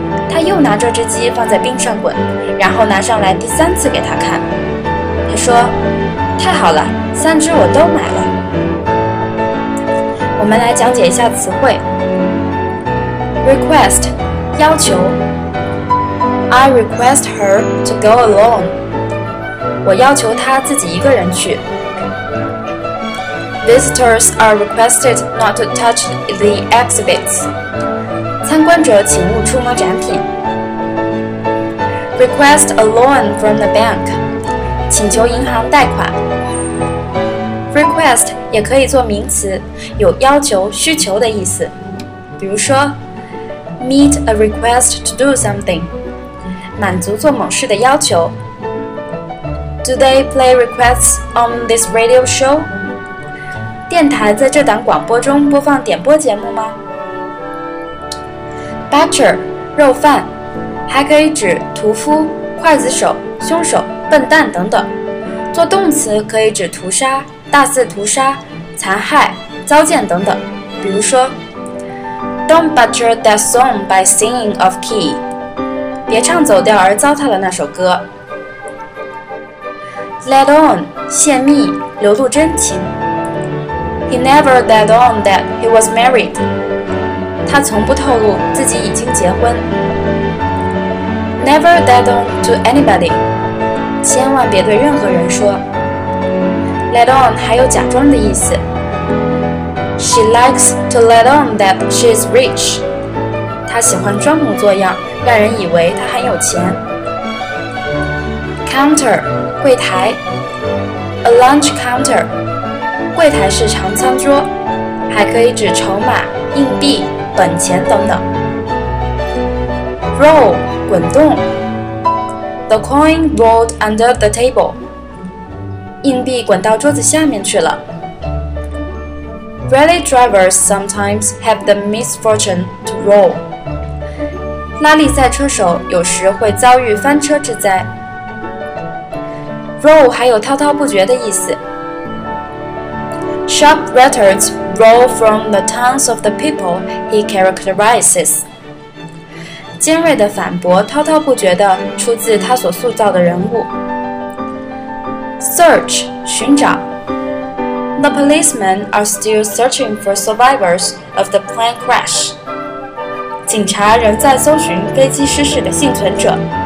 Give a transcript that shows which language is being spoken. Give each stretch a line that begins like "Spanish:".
Chinese: 他又拿这只鸡放在冰上滚，然后拿上来第三次给他看，他说，太好了，三只我都买了。我们来讲解一下词汇。Request, 要求。
English: I request her to go alone.
Chinese: 我要求她自己一个人去。
English: Visitors are requested not to touch the exhibits.
Chinese: 参观者请勿触摸展品。
English: Request a loan from the bank.
Chinese: 请求银行贷款。Request 也可以做名词，有要求、需求的意思。比如说
English: Meet a request to do something.
Chinese: 满足做某事的要求。
English: Do they play requests on this radio show?
Chinese: 电台在这档广播中播放点播节目吗？ Butcher, 肉贩，还可以指屠夫、刽子手、凶手、笨蛋等等。做动词可以指屠杀、大肆屠杀、残害、糟践等等。比如说
English: Don't butcher that song by singing off key.
Chinese: 别唱走调而糟蹋了那首歌。 Let on, 泄密，流露真情。
English: He never let on that he was married.
Chinese: 他从不透露自己已经结婚。
English: Never let on to anybody.
Chinese: 千万别对任何人说。 Let on 还有假装的意思。
English: She likes to let on that she is rich.
Chinese: 她喜欢装模作样，让人以为她很有钱。 Counter, 柜台。
English: A lunch counter,
Chinese: 柜台是长餐桌，还可以指筹码、硬币、本钱等等。
English: Roll,
Chinese: 滚动。
English: The coin rolled under the table.
Chinese: 硬币滚到桌子下面去了。
English: Rally drivers sometimes have the misfortune to roll.
Chinese: 拉力赛车手有时会遭遇翻车之灾。 Roll 还有滔滔不绝的意思。
English: Sharp rhetoric roll from the tongues of the people he characterizes.
Chinese: 尖锐的反驳滔滔不绝地出自他所塑造的人物。 Search, 寻找。
English: The policemen are still searching for survivors of the plane crash.
Chinese: 警察仍在搜寻飞机失事的幸存者。